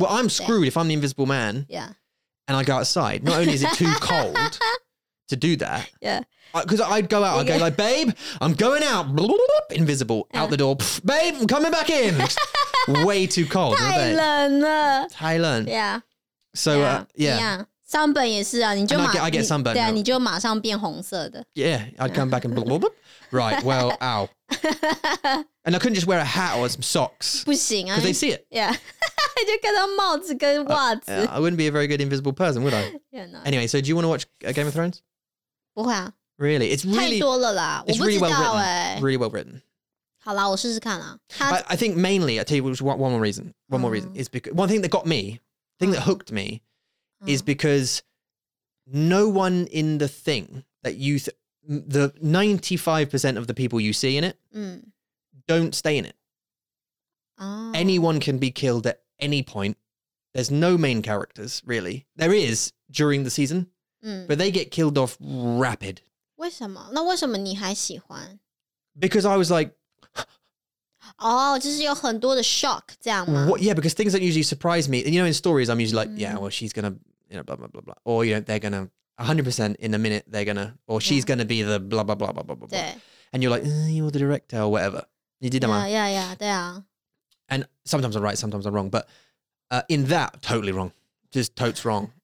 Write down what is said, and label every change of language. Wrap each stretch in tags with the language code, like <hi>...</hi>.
<en>Well, I'm screwed if I'm the invisible man. Yeah. And I go outside. Not only is it too cold to do that. Yeah. Because I'd go out, I'd go like, babe, I'm going out. Invisible. Out the door. Babe, I'm coming back in. Way too cold, aren't they?</en> <zh>太冷了。太冷。</zh> <en>Yeah. So, yeah.</en> <zh>Sunburn 也是啊，你就马上。</zh> <en>I get sunburn.</en> <zh>对啊，你就马上变红色的。</zh> <en>Yeah, I'd come back and blah, blah, blah. Right, well, ow. And I couldn't just wear a hat or some socks.</en> <zh>不行啊。</zh> <en>Because they see it. Yeah.</en> <zh>就看到帽子跟袜子。</zh> <en>I wouldn't be a very good invisible person, would I? Yeah, no. Anyway, so do you want to watch Game of Thrones?</en> <zh>不会啊。</zh> <en>Really? It's really...</en> <zh>太多了啦。</zh> <en>It's really well written. Really well written.</en> <zh>好啦，我试试看啊。</zh> <en>I think mainly, I tell you which one more reason. One more reason is because one thing that got me, thing that hooked me, is because no one in the thing that you, the 95% of the people you see in it, don't stay in it. Anyone can be killed at any point. There's no main characters really. There is during the season, but they get killed off rapid.</en> <zh>为什么？那为什么你还喜欢？</zh> <en>Because I was like.</en> <zh>就是有很多的 shock 这样吗</zh> <en>Yeah, because things don't usually surprise me. You know, in stories, I'm usually like, yeah, well, she's gonna, you know, blah, blah, blah, blah. Or, you know, they're gonna, 100% in a minute, they're gonna, or she's gonna be the blah, blah, blah, blah, blah, blah. And you're like, you're the director or whatever. You did that, man. Yeah, yeah,</en> <zh>对啊。</zh> <en>And sometimes I'm right, sometimes I'm wrong. But in that, totally wrong. Just totes wrong.</en>